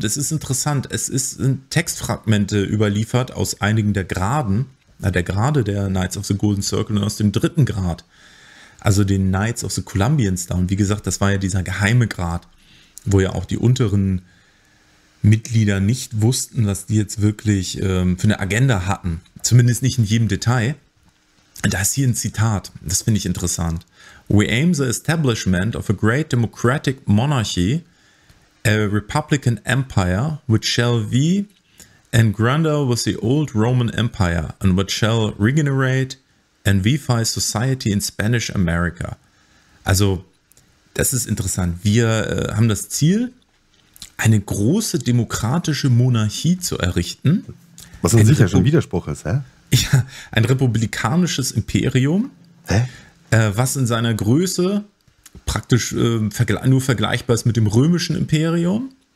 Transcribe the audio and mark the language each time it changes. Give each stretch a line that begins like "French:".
German: Und es ist interessant, es ist in Textfragmente überliefert aus einigen der Grade der Knights of the Golden Circle und aus dem dritten Grad, also den Knights of the Columbian Star. Und wie gesagt, das war ja dieser geheime Grad, wo ja auch die unteren Mitglieder nicht wussten, was die jetzt wirklich für eine Agenda hatten. Zumindest nicht in jedem Detail. Da ist hier ein Zitat, das finde ich interessant.
English: We aim the establishment of a great democratic monarchy, a republican empire, which shall be and grander with the old Roman Empire, and which shall regenerate and vify society in Spanish America.
German: Also, das ist interessant. Wir haben das Ziel, eine große demokratische Monarchie zu errichten. Was in sich ja schon Widerspruch ist, hä? Ja, ein republikanisches Imperium, was in seiner Größe praktisch nur vergleichbar ist mit dem römischen Imperium.